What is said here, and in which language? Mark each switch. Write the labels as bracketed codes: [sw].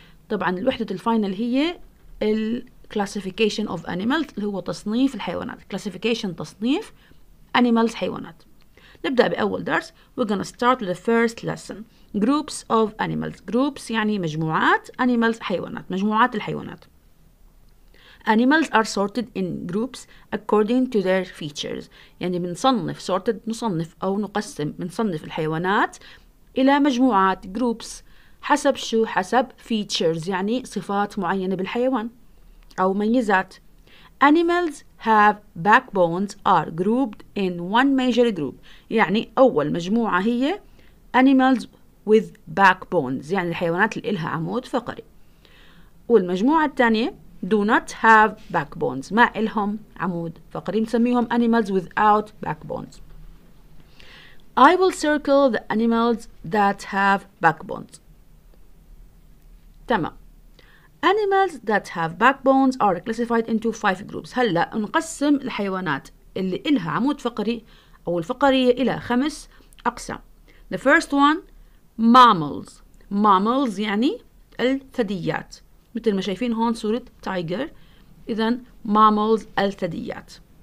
[ar] طبعاً الوحدة الفاينل هي ال [en] classification of animals [ar] اللي هو تصنيف الحيوانات. Classification تصنيف animals حيوانات. نبدأ بأول درس. [en] We're gonna start with the first lesson. Groups of animals. [ar] Groups يعني مجموعات animals حيوانات. مجموعات الحيوانات. [en] Animals are sorted in groups according to their features. [ar] يعني بنصنف sorted نصنف أو نقسم بنصنف الحيوانات إلى مجموعات groups حسب شو حسب features يعني صفات معينة بالحيوان أو ميزات. [en] Animals have backbones are grouped in one major group. [ar] يعني أول مجموعة هي [en] animals with backbones [ar] يعني الحيوانات اللي إلها عمود فقري. والمجموعة الثانية [en] do not have backbones [ar] ما إلهم عمود فقري نسميهم [en] animals without backbones. I will circle the animals that have backbones. [ar] تمام. [en] Animals that have backbones are classified into five groups. [ar] هلا نقسم الحيوانات اللي إلها عمود فقري أو الفقرية إلى خمس أقسام. [en] The first one mammals. Mammals [ar] يعني الثدييات. مثل ما شايفين هون صورة تايجر إذن mammals الثدييات.